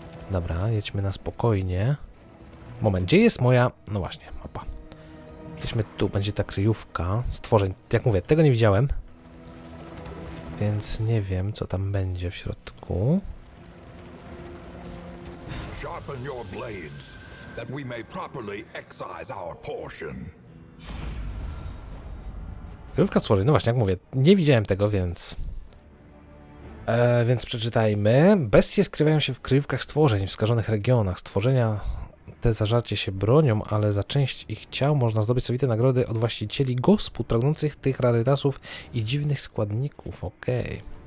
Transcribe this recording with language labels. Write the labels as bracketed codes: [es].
[pl] Dobra, jedźmy na spokojnie. Moment, gdzie jest moja... No właśnie, mapa. Jesteśmy tu, będzie ta kryjówka stworzeń. Jak mówię, tego nie widziałem. Więc nie wiem, co tam będzie w środku. [en] Sharpen your blades, that we may properly excise our portion. [pl] Kryjówka stworzeń, no właśnie, jak mówię, nie widziałem tego, więc... więc przeczytajmy. Bestie skrywają się w kryjówkach stworzeń, w skażonych regionach. Stworzenia te zażarcie się bronią, ale za część ich ciał można zdobyć sowite nagrody od właścicieli gospód pragnących tych rarytasów i dziwnych składników. Okej.